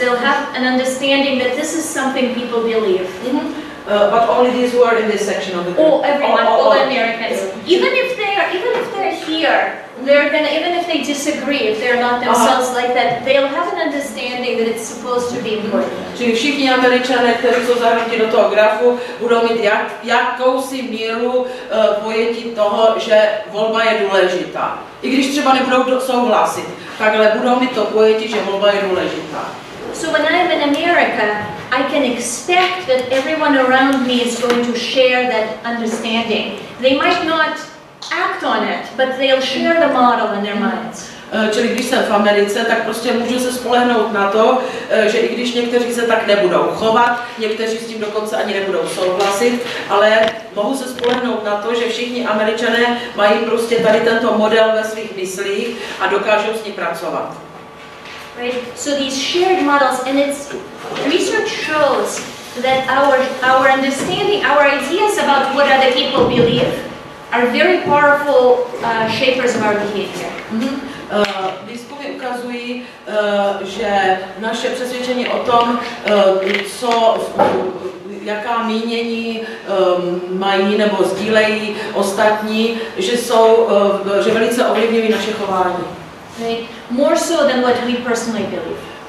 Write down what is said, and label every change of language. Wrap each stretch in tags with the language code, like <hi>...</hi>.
<en>They'll have an understanding that this is something people believe. Mm-hmm. But only these who are in this section of the group. All Americans. Even if they're here, they're gonna, even if they disagree, if they're not themselves like that, they'll have an understanding that it's supposed to be important.</en> <cs>Čili všichni Američané, kteří jsou zahrnuti do toho grafu, budou mít jakousi míru pojetí toho, že volba je důležitá. I když třeba nebudou souhlasit, takhle budou mít to pojetí, že volba je důležitá.</cs> <en>So when I'm in America, I can expect that everyone around me is going to share that understanding. They might not act on it, but they'll share the model in their minds.</en> <cs>Čili když jsem v Americe, tak prostě můžu se spolehnout na to, že i když někteří se tak nebudou chovat, někteří s tím dokonce ani nebudou souhlasit, ale mohu se spolehnout na to, že všichni Američané mají prostě tady tento model ve svých myslích a dokážou s ním pracovat.</cs> <en>Right. So these shared models, and it's research shows that our understanding, our ideas about what other people believe are very powerful shapers of our behavior.</en> <cs>Výzkumy ukazují, že naše přesvědčení o tom, co jaká mínění mají nebo sdílejí ostatní, že jsou že velice ovlivňují naše chování.</cs> <en>More so than what we personally believe.</en>